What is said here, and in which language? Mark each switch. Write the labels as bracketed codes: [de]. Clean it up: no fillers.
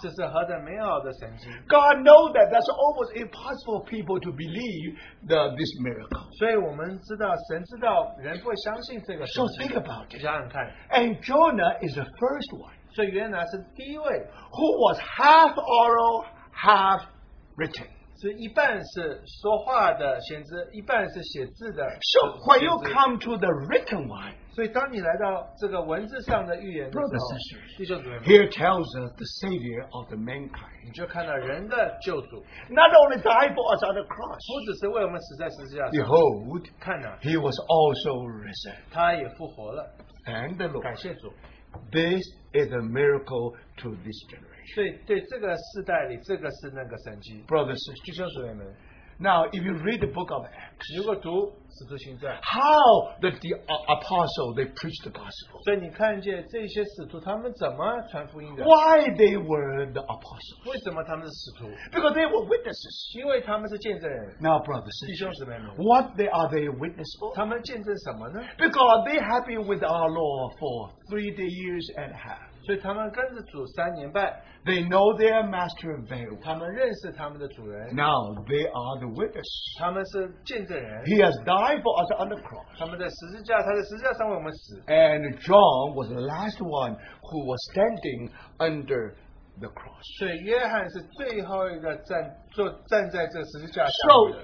[en] God knows that that's almost impossible for people to believe the, this miracle. So think about it. And Jonah is the first one who was half oral, half written. [zh] 是一半是说话的先知，一半是写字的。 [en] So when you come to the written one, [zh] 所以当你来到这个文字上的预言的时候, [en] brothers and sisters, [zh] 弟兄姊妹们, [en] here tells us the Savior of the mankind. [zh] 你就看到人的救主, [en] not only died for us on the cross, [zh] 不只是为我们死在十字架上, [en] behold, [zh] 看啊, [en] he was also risen. [zh] 他也复活了。 [en] Thank the Lord. [zh] 感谢主。 [en] This is a miracle to this generation. [zh] 对，这个世代里，这个是那个神迹。 [en] Brothers, [zh] 弟兄姊妹们, [en] now if you read the book of Acts, [zh] 如果读使徒行传, [en] how the apostle they preached the gospel. [zh] 所以你看见这些使徒他们怎么传福音的? [en] Why they were the apostles? [zh] 为什么他们是使徒? [en] Because they were witnesses. [zh] 因为他们是见证人。 [en] Now, brothers, [zh] 弟兄姊妹们, [en] what they are they witness for? [zh] 他们见证什么呢? [en] Because they have been with our Lord for 3 years and a half. [zh] 所以他们跟着主三年半, [en] they know their master very well. [zh] 他们认识他们的主人, [en] now they are the witness. [zh] 他们是见证人, [en] he has died for us on the cross. [zh] 他们在十字架, 他在十字架上为我们死, [en] and John was the last one who was standing under the cross. [zh] 所以约翰是最后一个站, 站在这十字架上的。